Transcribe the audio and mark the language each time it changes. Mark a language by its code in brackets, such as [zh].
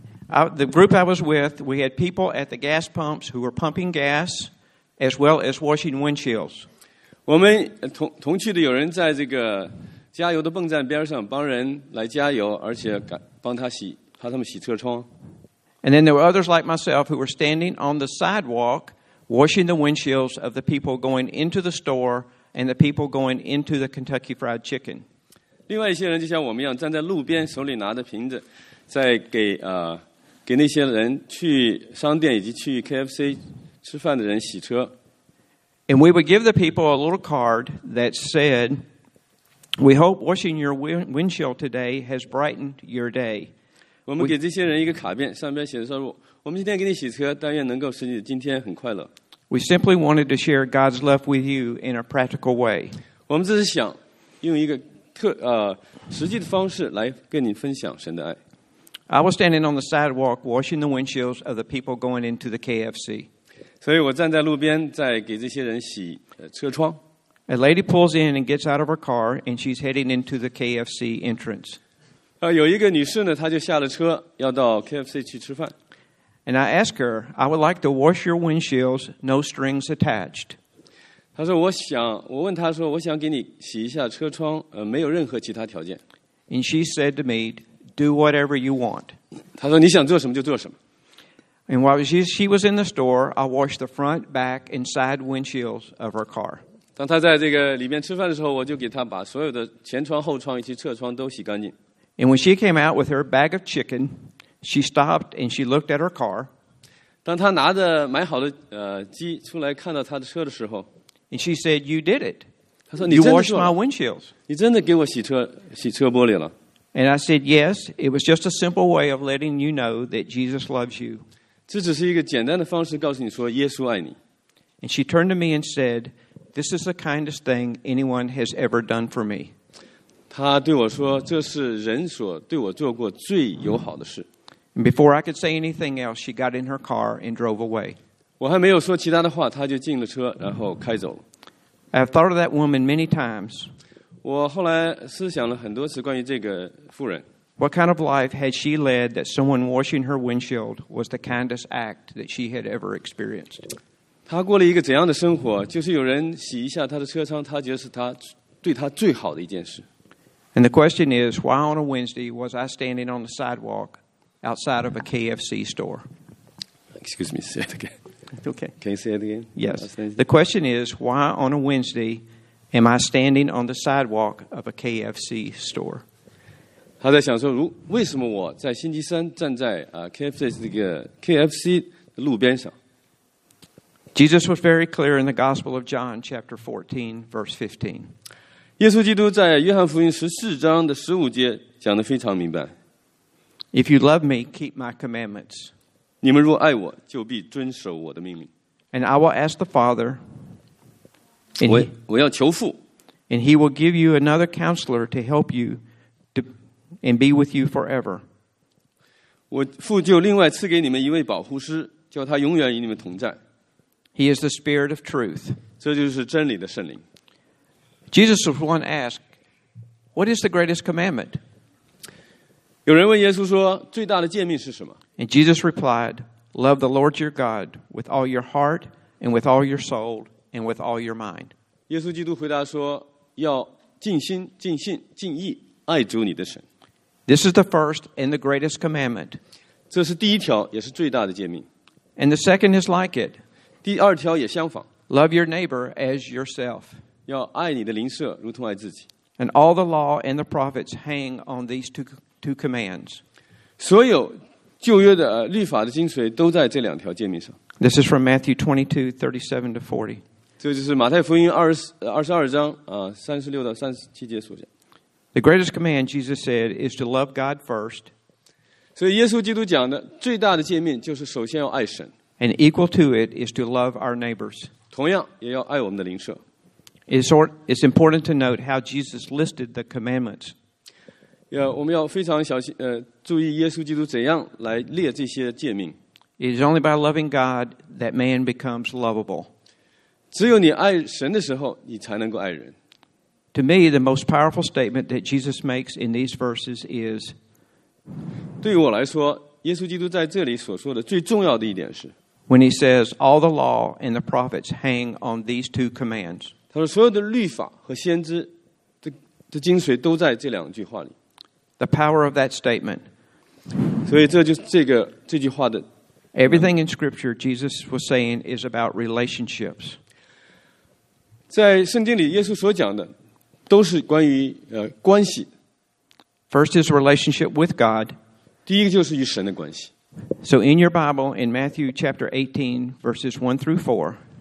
[en] The group I was with, we had people at the gas pumps who were pumping gas as well as washing windshields. [zh] 我们同去的有人在这个加油的泵站边上帮人来加油，而且帮他洗，怕他们洗车窗。 [en] And then there were others like myself who were standing on the sidewalk washing the windshields of the people going into the store and the people going into the Kentucky Fried Chicken. [zh] 另外一些人就像我们一样站在路边手里拿着瓶子在给给那些人去商店以及去 KFC 吃饭的人洗车。 [en] And we would give the people a little card that said, we hope washing your windshield today has brightened your day. [zh] 我们给这些人一个卡片上面写的说我们今天给你洗车但愿能够使你今天很快乐。 [en] We simply wanted to share God's love with you in a practical way. [zh] 我们只是想用一个特实际的方式来跟你分享神的爱。 [en] I was standing on the sidewalk washing the windshields of the people going into the KFC. [zh] 所以我站在路边在给这些人洗车窗。 [en] A lady pulls in and gets out of her car and she's heading into the KFC entrance. [zh] 有一个女士呢她就下了车要到 KFC 去吃饭。 [en] And I ask her, I would like to wash your windshields, no strings attached. [zh] 她说我问她说我想给你洗一下车窗没有任何其他条件。 [en] And she said to me,Do whatever you want. [zh] 他说你想做什么就做什么。 [en] And while she was in the store, I washed the front, back, and side windshields of her car. [zh] 当他在这个里面吃饭的时候，我就给他把所有的前窗、后窗以及侧窗都洗干净。 [en] And when she came out with her bag of chicken, she stopped and she looked at her car. [zh] 当他拿着买好的鸡出来看到他的车的时候 [en] ，And she said, "You did it." [zh] 他说你真的做了。 [en] You washed my windshields. [zh] 你真的给我洗车玻璃了。 [en] And I said, yes, it was just a simple way of letting you know that Jesus loves you. [zh] 这只是一个简单的方式告诉你说耶稣爱你。 [en] And she turned to me and said, this is the kindest thing anyone has ever done for me. [zh] 她对我说这是人所对我做过最友好的事。 [en] And before I could say anything else, she got in her car and drove away. [zh] 我还没有说其他的话她就进了车然后开走了。 [en] I've thought of that woman many times. [zh] 我后来思想了很多次关于这个妇人。 [en] What kind of life had she led that someone washing her windshield was the kindest act that she had ever experienced? [zh] 她过了一个怎样的生活？就是有人洗一下她的车窗，她觉得是她对她最好的一件事。 [en] And the question is, why on a Wednesday was I standing on the sidewalk outside of a KFC store? Excuse me, say it again. Okay. Can you say it again? Yes. The question is, why on a Wednesday? Am I standing on the sidewalk of a KFC store? [zh] 他在想说，为什么我在星期三站在KFC 这个 KFC 的路边上？ [en] Jesus was very clear in the Gospel of John, chapter 14, verse 15. [zh] 耶稣基督在约翰福音十四章的十五节讲得非常明白。 [en] If you love me, keep my commandments. [zh] 你们若爱我，就必遵守我的命令。 [en] And I will ask the Father. [zh] 我要求父 [en] and he will give you another counselor to help you to, and be with you forever. [zh] 我父就另外赐给你们一位保护师叫他永远与你们同在 [en] He is the spirit of truth. [zh] 这就是真理的圣灵 [en] Jesus was once asked, what is the greatest commandment? [zh] 有人问耶稣说最大的诫命是什么 [en] And Jesus replied, love the Lord your God with all your heart and with all your soul. And with all your mind. [zh] 耶稣基督回答说要尽心尽性尽意爱主你的神。 [en] This is the first and the greatest commandment. [zh] 这是第一条也是最大的诫命。 [en] And the second is like it. [zh] 第二条也相仿。 [en] Love your neighbor as yourself. [zh] 要爱你的邻舍如同爱自己。 [en] And all the law and the prophets hang on these two commands. [zh] 所有旧约的律法的精髓都在这两条诫命上。 [en] This is from Matthew 22:37-40. [zh] 这就是马太福音22章36-37节所讲。 [en] The greatest command Jesus said is to love God first. [zh] 所以耶稣基督讲的最大的诫命就是首先要爱神。 [en] And equal to it is to love our neighbors. [zh] 同样也要爱我们的邻舍。 [en] It's important to note how Jesus listed the commandments. [zh] 我们要非常小心注意耶稣基督怎样来列这些诫命。 [en] It is only by loving God that man becomes lovable. [zh] 只有你爱神的时候，你才能够爱人。 [en] To me, the most powerful statement that Jesus makes in these verses is. [zh] 对于我来说，耶稣基督在这里所说的最重要的一点是。 [en] When he says all the law and the prophets hang on these two commands. [zh] 他说所有的律法和先知的精髓都在这两句话里。 [en] The power of that statement. [zh] 所以这就是这句话的。 [en] Everything in Scripture Jesus was saying is about relationships. [zh] 在圣经里耶稣所讲的都是关于关系。 [en] First is relationship with God. [zh] 第一个就是与神的关系。 [en] So in your Bible, in Matthew chapter 18, verses 1 through 4,